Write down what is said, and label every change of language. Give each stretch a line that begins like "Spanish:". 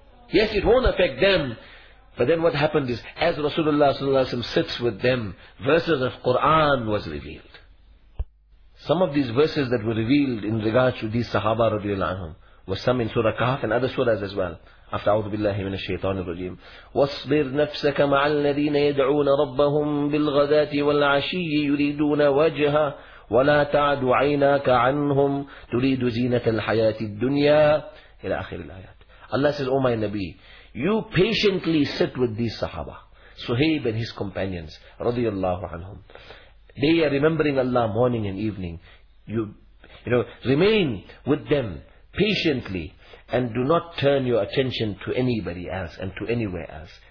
English: Yes, it won't affect them. But then what happened is, as Rasulullah sallallahu alaihi wasallam sits with them, verses of Quran was revealed. Some of these verses that were revealed in regards to these Sahaba radiallahu anhum, were some in Surah Kahf and other surahs as well. After
Arabic: أعوذ بالله من الشيطان الرجيم واصبر نفسك مع الذين يدعون ربهم بالغداة والعشي يريدون وجهه ولا تعد عيناك عنهم تريد زينة الحياة الدنيا إلى آخر الآيات.
English: Allah says, O my Nabi, you patiently sit with these Sahaba, Suhaib and his companions, radiyallahu anhum. They are remembering Allah morning and evening. You remain with them patiently and do not turn your attention to anybody else and to anywhere else.